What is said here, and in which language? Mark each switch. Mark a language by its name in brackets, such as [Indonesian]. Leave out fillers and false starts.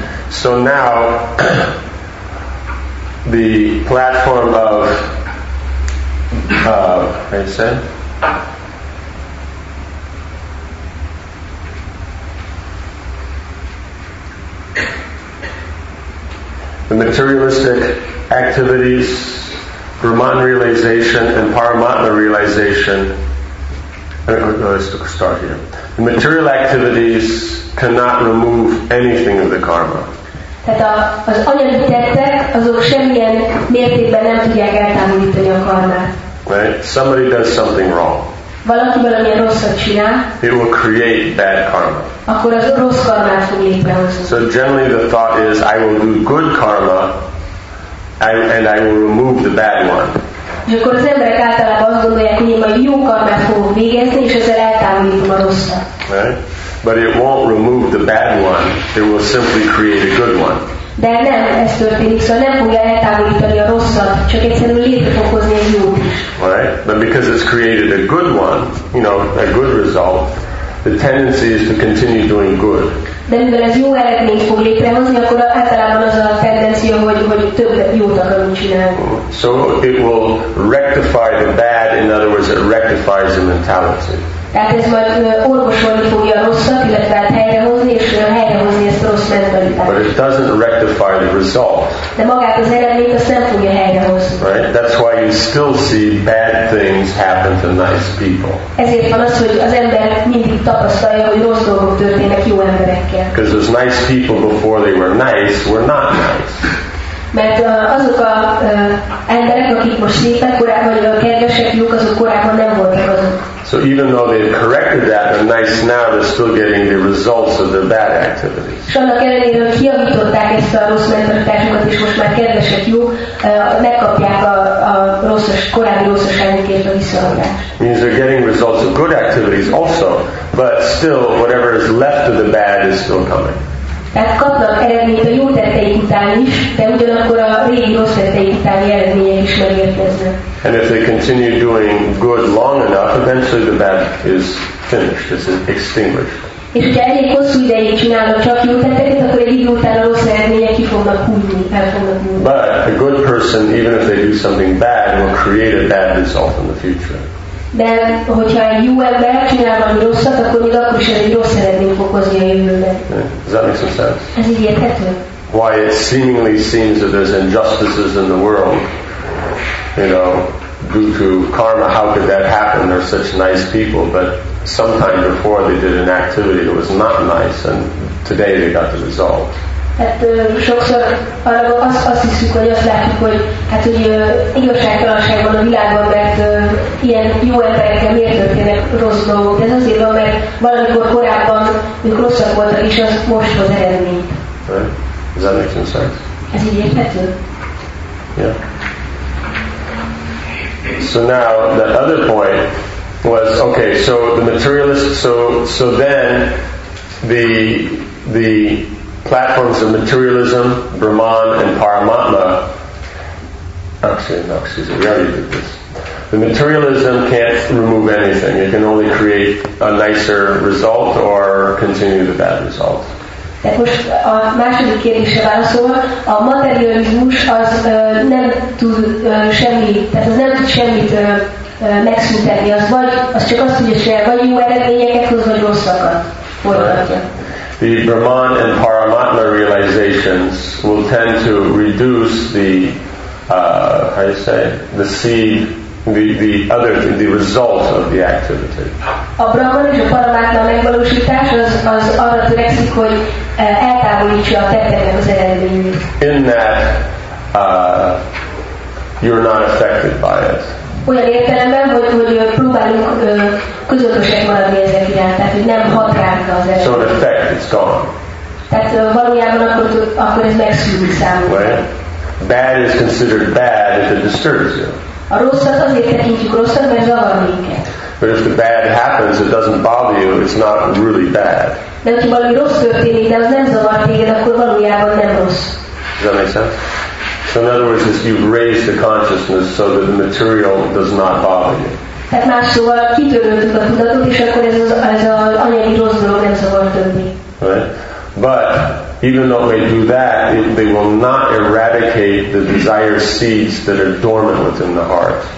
[English] So now the platform of the materialistic activities, Brahman realization and Paramatma realization. Let's start here. The material activities cannot remove anything of the karma. [Hungarian] Tehát az anyagi tettek, azok semmilyen mértékben nem tudják eltávolítani a karmát. [English] Right? Somebody does something wrong. [Hungarian] Valaki valamilyen rosszat csinál. [English] It will create bad karma. [Hungarian] Akkor az rossz karmát fog létrehozni. [English] So generally the thought is, I will do good karma, and I will remove the bad one. [Hungarian] És akkor az emberek általában azt gondolják, hogy én majd jó karmát fogok végezni, és ezzel eltávolítom a rosszat. [English] Right? But it won't remove the bad one. It will simply create a good one. [Hungarian] De nem, ez történik, szóval nem fogja eltávolítani a rosszat, csak egyszerűen létre fog hozni egy jót. [English] Right? But because it's created a good one, you know, a good result, the tendency is to continue doing good. [Hungarian] De mivel ez jó eredményt fog létrehozni, akkor általában az a tendencia, hogy több jót akarunk csinálni. [English] So it will rectify the bad, in other words, it rectifies the mentality. [Hungarian] Tehát ez majd orvosolni fogja a rosszat, illetve helyrehozni, és helyrehozni ezt a rossz mentalitást. [English] But but it doesn't rectify the result. [Hungarian] De magát az eredményt azt nem fogja helyrehoz. [English] Right? That's why you still see bad things happen to nice people. [Hungarian] Ezért van az, hogy az ember mindig tapasztalja, hogy rossz dolgok történnek jó emberekkel. [English] Because those nice people before they were nice were not nice. [Hungarian] Mert azok az emberek, akik most szépek, korábban vagy a kedvesek, jók, azok korábban nem voltak azok. [English] So even though they've corrected that, they're nice now, they're still getting the results of their bad activities. [Hungarian] És annak ellenére, hogy kijavították ezt a rossz mentalitásukat, és most már kedvesek, jó, megkapják a rosszos, korábbi rosszoságukért a visszaadást. [English] Means they're getting results of good activities also, but still, whatever is left of the bad is still coming. [Hungarian] Tehát kapnak eredményt a jó tetteik után is, de ugyanakkor a régi rossz tetteik utáni eredmények is megérkeznek. [English] And if they continue doing good long enough, eventually the bad is finished, it's extinguished. [Hungarian] És hogyha elég hosszú ideig csinálnak csak jó tetteket, akkor egy idő után a rossz eredmények ki fognak hullni, el fognak hullni. [English] But a good person, even if they do something bad, will create a bad result in the future. [Hungarian] De hogyha egy jó ember csinál valami rosszat, akkor még akkor is egy rossz eredmény fog hozni a jövőbe. [English] Yeah. Does that make some sense? [Hungarian] Ez így érthető? [English] Why it seemingly seems that there's injustices in the world, you know, due to karma, how could that happen? They're such nice people, but sometime before they did an activity that was not nice, and today they got the result. [Hungarian] Hát sokszor arra azt hiszük, hogy azt látjuk, hogy hát, hogy igazságtalanság van a világban, mert ilyen jó emberekkel miért történnek rossz dolgok. De ez azért van, mert valamikor korábban ők rosszak voltak, és az most az eredmény. [English] Right. Does that make sense? [Hungarian] Ez így érthető? [English] So now the other point was okay. So the materialist. So then the platforms of materialism, Brahman and Paramatma. Actually, we already did this. The materialism can't remove anything. It can only create a nicer result or continue the bad result. [Hungarian] Tehát most a második kérdésre válaszolva, a materializmus az nem tud semmit, tehát az nem tud semmit megszüntetni, az vagy, az csak azt tudja csinálni, vagy jó eredményeket hoz, vagy rosszakat forgatja. [English] The Brahman and Paramatma realizations will tend to reduce the the result of the activity. [Hungarian] A Brahman és a Paramatma megvalósítás az arra törekszik, hogy eltávolítsa a tetteknek az eredményét. [English] In that you're not affected by it. [Hungarian] Olyan értelemben, hogy próbálunk közötösek maradni ezek iránt, tehát hogy nem hat ránk az eredmény. [English] So the effect is gone. [Hungarian] Tehát valójában akkor ez megszűnik számunkra. [English] Well, bad is considered bad if it disturbs you. [Hungarian] A rosszat azért tekintjük rosszat, mert zavar minket. [English] But if the bad happens, it doesn't bother you, it's not really bad. [Hungarian] De ha valami rossz történik, de az nem zavar téged, akkor valójában nem rossz. [English] Does that make sense? So in other words, you've raised the consciousness so that the material does not bother you. [Hungarian] Tehát más szóval kitöröltük a tudatot, és akkor ez az anyagi rossz dolog nem szabad többé. [English] But even though they do that, they will not eradicate the desire seeds that are dormant within the heart.